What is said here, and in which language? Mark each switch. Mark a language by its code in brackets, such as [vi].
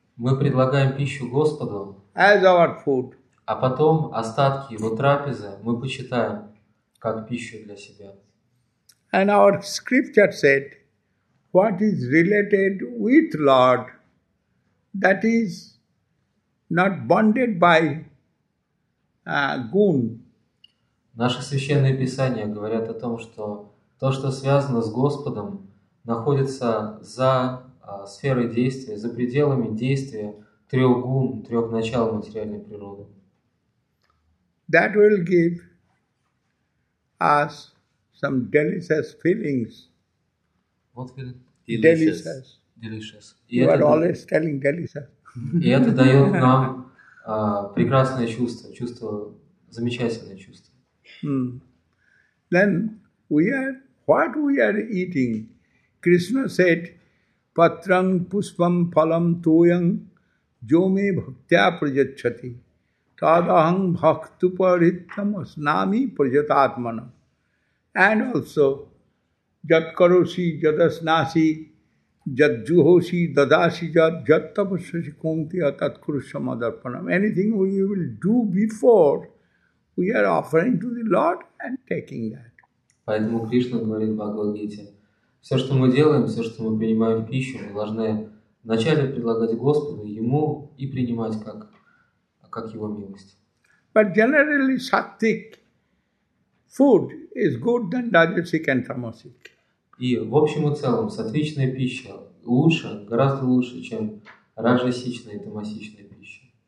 [ru] Мы предлагаем пищу Господу. [en] As our food. [ru] А потом остатки его трапезы мы почитаем как пищу для себя. [en] And our scripture said, what is related with Lord, that is not bonded by gun. [ru] Наши священные писания говорят о том, что то, что связано с Господом, находится за сферой действия, за пределами действия трех гун, трех начал материальной природы. [en] That will give us some delicious feelings. What will delicious? Delicious. You are always telling delicious. [ru] И это дает нам прекрасное чувство, чувство замечательное чувство. [en] Then what we are eating? [sa] Krishna said, patram puspam phalam toyam jome bhaktya prajacchati. Tadaham bhaktuparitam asnami prajatatmana. And also, jat karosi jadas nasi jat juhosi dadasi jat jat tapasasi kumti atat kurushama darpanam. [en] Anything we will do before, we are offering to the Lord and taking that. [ru] Поэтому Кришна говорит в Бхагавад-гите, все, что мы делаем, все, что мы принимаем в пищу, мы должны вначале предлагать Господу Ему и принимать как его милость. [en] But generally sattvic food is good than rajasic and tamasic. [ru] И в общем и целом сатвичная пища лучше, гораздо лучше, чем раджасичная и тамасичная пища.